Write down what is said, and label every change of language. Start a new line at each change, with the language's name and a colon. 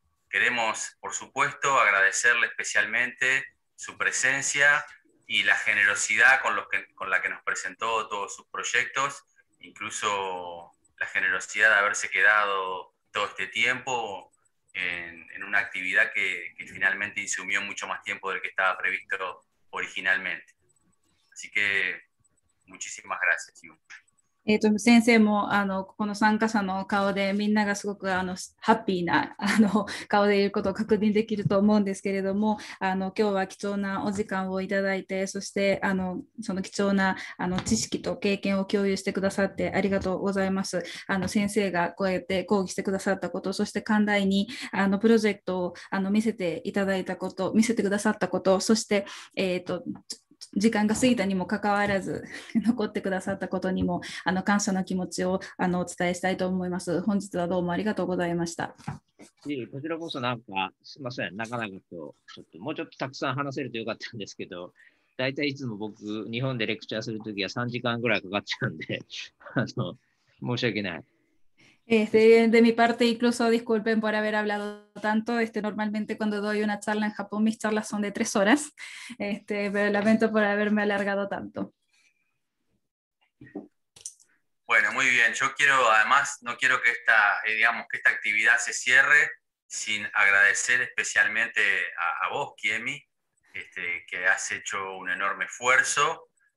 Spanish: Queremos, por supuesto, agradecerle especialmente su presencia y la generosidad con la que nos presentó todos sus proyectos, incluso la generosidad de haberse quedado todo este tiempo en una actividad que finalmente insumió mucho más tiempo del que estaba previsto originalmente. Así que muchísimas gracias.
Japanese: 先生もあのこの参加者の顔でみんながすごくあのハッピーなあの顔でいることを確認できると思うんですけれども、あの今日は貴重なお時間をいただいて、そしてあのその貴重なあの知識と経験を共有してくださってありがとうございます。あの先生がこうやって講義してくださったこと、そして寛大にあのプロジェクトをあの見せていただいたこと、見せてくださったこと、そして時間が過ぎたにもかかわらず残ってくださったことにもあの感謝の気持ちをあのお伝えしたいと思います。本日はどうもありがとうございました。こちらこそなんかすいません、なかなかとちょっともうちょっとたくさん話せるとよかったんですけど、だいたいいつも僕日本でレクチャーするときは3時間ぐらいかかっちゃうんで、あの申し訳ない。
Spanish: De mi parte, incluso disculpen por haber hablado tanto. Normalmente cuando doy una charla en Japón, mis charlas son de 3 horas. Pero lamento por haberme alargado tanto. Bueno, muy bien. Yo quiero, además, no quiero que esta, digamos, que esta actividad se cierre sin agradecer especialmente a vos, Kiemi, que has hecho un enorme esfuerzo.